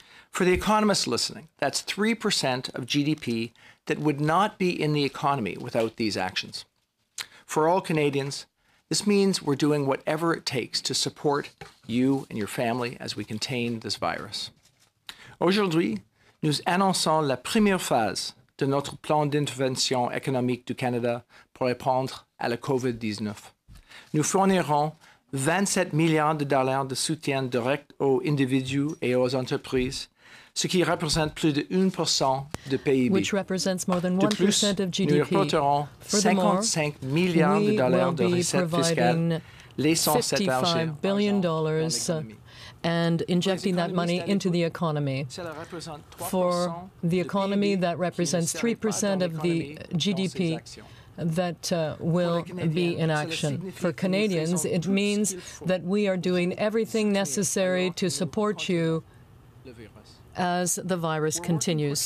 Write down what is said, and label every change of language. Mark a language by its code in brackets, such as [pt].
[en] For the economists listening, that's 3% of GDP that would not be in the economy without these actions. For all Canadians, this means we're doing whatever it takes to support you and your family as we contain this virus. [fr] Aujourd'hui, nous annonçons la première phase de notre plan d'intervention économique du Canada pour répondre à la COVID-19. Nous fournirons 27 milliards de dollars de soutien direct aux individus et aux entreprises, ce qui représente plus de 1% de PIB. [en] Which represents more than 1% of GDP. [fr] Nous reporterons 55 milliards de dollars de recettes fiscales, laissant cet argent dans [en] and injecting that money into the economy. For the economy, that represents 3% of the GDP that will be in action. For Canadians, it means that we are doing everything necessary to support you as the virus continues.